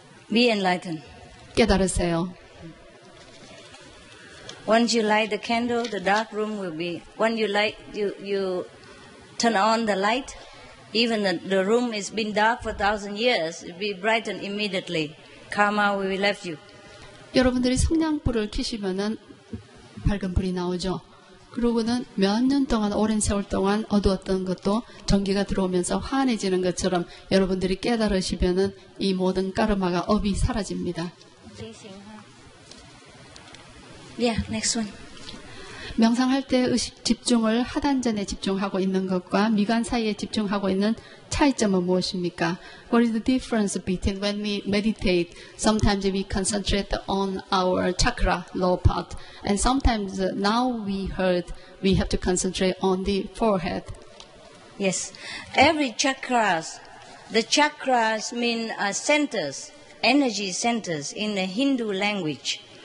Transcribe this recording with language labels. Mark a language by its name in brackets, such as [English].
[English] Be enlightened. [Korean] 깨달으세요. [English] Once you light the candle, the dark room will be. When you light, you turn on the light, even the room has been dark for 1,000 years, it will be brightened immediately. Karma will be left you. [Korean] 여러분들이 성냥불을 켜시면은 밝은 불이 나오죠. 그러고는 몇 년 동안, 오랜 세월 동안 어두웠던 것도 전기가 들어오면서 환해지는 것처럼 여러분들이 깨달으시면은 이 모든 까르마가 업이 사라집니다. [English] Yeah, next one. [Korean] 명상할 때 의식 집중을 하단전에 집중하고 있는 것과 미간 사이에 집중하고 있는 차이점은 무엇입니까? [English] What is the difference between when we meditate? Sometimes we concentrate on our chakra, lower part. And sometimes now we heard we have to concentrate on the forehead. Yes. Every chakras, the chakras mean centers, energy centers in the Hindu language.